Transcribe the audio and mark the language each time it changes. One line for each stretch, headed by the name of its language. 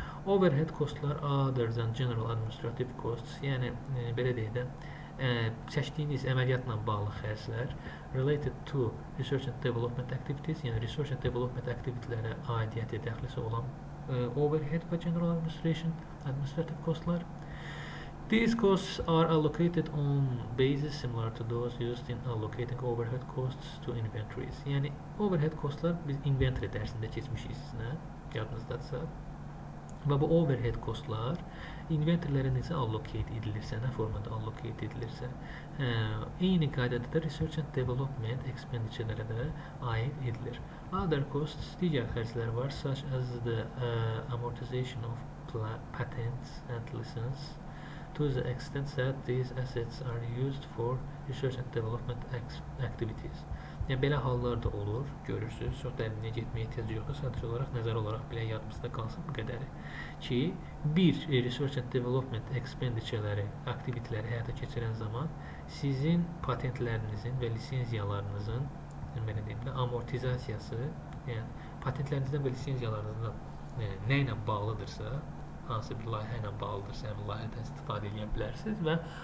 Azerbaijani: Overhead costlar
English: other than general administrative costs,
Azerbaijani: yəni belə deyək də, çəkdiyiniz əməliyyatla bağlı xərclər
English: related to research and development activities,
Azerbaijani: yəni research and development aktivitlərə aidiyyəti dəxlisi olan overhead və general administration administrative costlar.
English: These costs are allocated on basis similar to those used in allocating overhead costs to inventories.
Azerbaijani: Yəni, overhead costlar biz inventory dərsində keçmişik sizinə, yadınızdadsa. Və bu overhead costlar inventorlərinizə allocate edilirsə, nə formada allocate edilirsə, eyni qaydada da research and development expenditure-lərə də aid edilir.
English: Other costs,
Azerbaijani: digər xərclər var,
English: such as the amortization of patents and license to the extent that these assets are used for research and development activities.
Azerbaijani: Yəni, belə hallar da olur, görürsünüz, çox dərinliyə getməyə ehtiyac yoxdur, sadəcə olaraq, nəzər olaraq belə yadımızda qalsın bu qədəri ki, bir research and development expenditure-ləri, aktivitləri həyata keçirən zaman sizin patentlərinizin və lisenziyalarınızın belə deyim də, amortizasiyası, yəni patentlərinizdən və lisenziyalarınızdan nə ilə bağlıdırsa, hansı bir layihə ilə bağlıdırsa, həmin layihədən istifadə edə bilərsiniz və